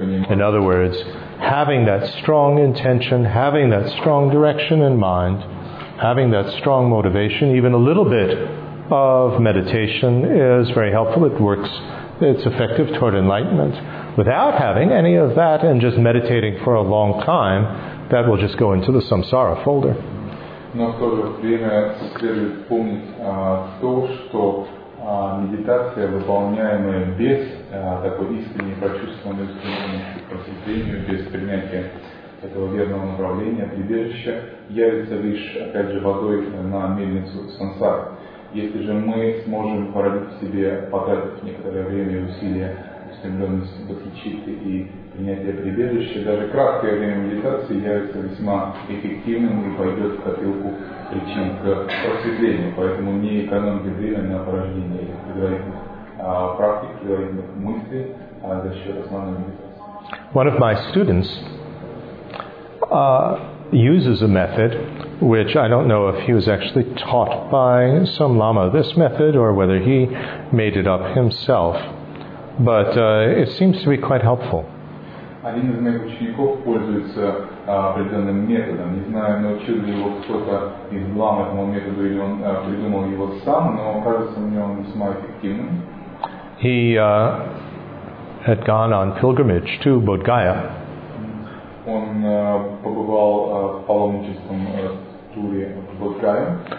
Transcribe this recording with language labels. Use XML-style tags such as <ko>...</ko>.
<en>In other words, having that strong intention, having that strong direction in mind, having that strong motivation, even a little bit of meditation is very helpful. It works, it's effective toward enlightenment. Without having any of that and just meditating for a long time, that will just go into the samsara folder.</en> <ru>Но в то же время следует помнить то, что медитация, выполняемая без такой искренней прочувствованной искренней просветлению, без принятия этого верного направления, прибежища, явится лишь, опять же, водой на мельницу сансары. Если же мы сможем породить в себе, потратив некоторое время и усилия, стремленность бодхичитты и принятие прибежища, даже краткое время медитации является весьма эффективным и пойдет в копилку причин к просветлению. Поэтому не экономьте время на порождение предварительных практик, предварительных мыслей за счет основной медитации.</ru> <en>One of my students uses a method, which I don't know if he was actually taught by some lama this method or whether he made it up himself. But it seems to be quite helpful.</en> <ru>Один из моих учеников пользуется определенным методом. Не знаю, научил ли его кто-то из лам этому методу или он придумал его сам, но кажется мне он весьма эффективным.</ru> <en>He had gone on pilgrimage to Bodh Gaya.</en> <ru>Он побывал в паломническом туре в Bodh Gaya.</ru>